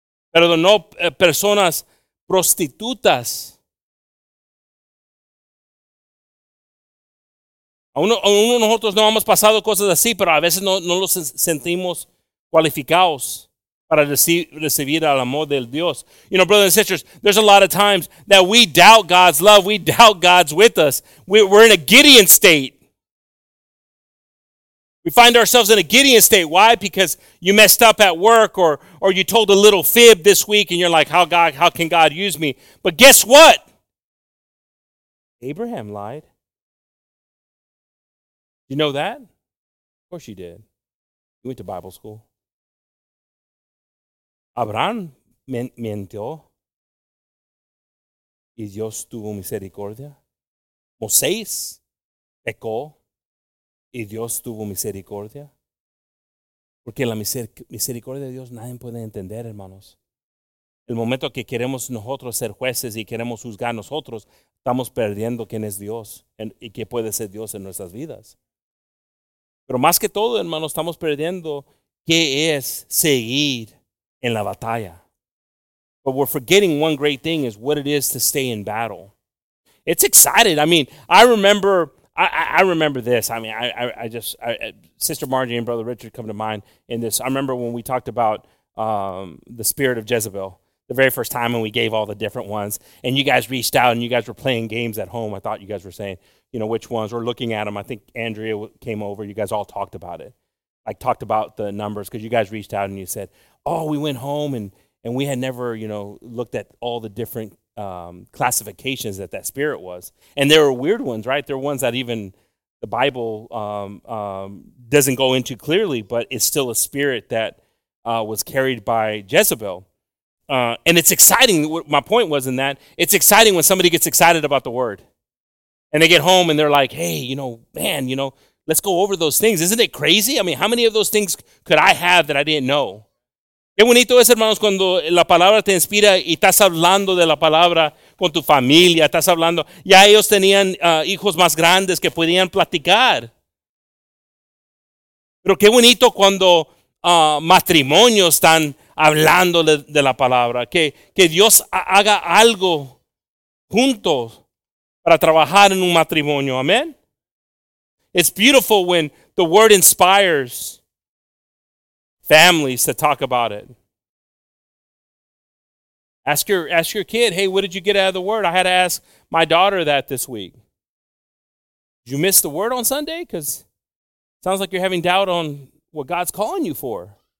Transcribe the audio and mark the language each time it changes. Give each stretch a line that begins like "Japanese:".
Spanish: Perdonó personas prostitutas. A uno de nosotros no hemos pasado cosas así, pero a veces no los sentimos cualificados para recibir al amor del Dios.
English: You know, brothers and sisters, there's a lot of times that we doubt God's love. We doubt God's with us. We're in a Gideon state. We find ourselves in a Gideon state. Why? Because you messed up at work or you told a little fib this week and you're like, how can God use me? But guess what? Abraham lied. You know that? Of course you did. You went to Bible school.
Spanish: Abraham mintió y Dios tuvo misericordia. Moisés pecó y Dios tuvo misericordia. Porque la misericordia de Dios nadie puede entender, hermanos. El momento que queremos nosotros ser jueces y queremos juzgar a nosotros, estamos perdiendo quién es Dios y qué puede ser Dios en nuestras vidas. Pero más que todo, hermanos, estamos perdiendo qué es seguir en la batalla.
English: But we're forgetting one great thing is what it is to stay in battle. It's excited. I mean, I remember this. I mean, Sister Margie and Brother Richard come to mind in this. I remember when we talked about the spirit of Jezebel. the very first time, and we gave all the different ones, and you guys reached out, and you guys were playing games at home. I thought you guys were saying, you know, which ones, or looking at them. I think Andrea came over. You guys all talked about it. I talked about the numbers because you guys reached out, and you said, oh, we went home, and we had never, you know, looked at all the different classifications that that spirit was. And there were weird ones, right? There were ones that even the Bible doesn't go into clearly, but it's still a spirit that was carried by Jezebel. And it's exciting. My point was in that it's exciting when somebody gets excited about the word and they get home and they're like, hey, you know, man, you know, let's go over those things. Isn't it crazy? I mean, how many of those things could I have that I didn't know?
Spanish: Qué bonito es, hermanos, cuando la palabra te inspira y estás hablando de la palabra con tu familia, estás hablando. Ya ellos tenían hijos más grandes que podían platicar. Pero qué bonito cuando matrimonios están hablando de la palabra. Que Dios haga algo juntos para trabajar en un matrimonio. Amén.
English: It's beautiful when the word inspires families to talk about it. Ask your kid, hey, what did you get out of the word? I had to ask my daughter that this week. Did you miss the word on Sunday? Because it sounds like you're having doubt on what God's calling you for.